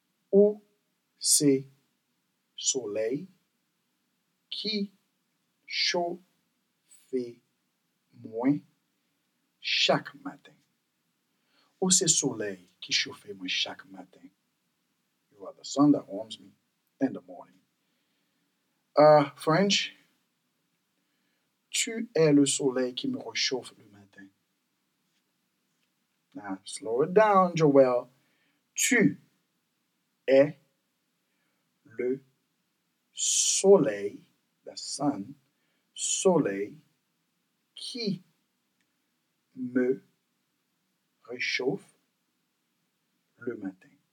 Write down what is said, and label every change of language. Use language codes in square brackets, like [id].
[fr] Où c'est soleil qui chauffe moi chaque matin. Où c'est soleil qui chauffe moi chaque matin. [en] You are the sun that warms me in the morning. French. [fr] Tu es le soleil qui me réchauffe le matin. [en] Now, slow it down, Joel. [fr] Tu es le soleil, [en] the sun, [fr] soleil qui me réchauffe le matin.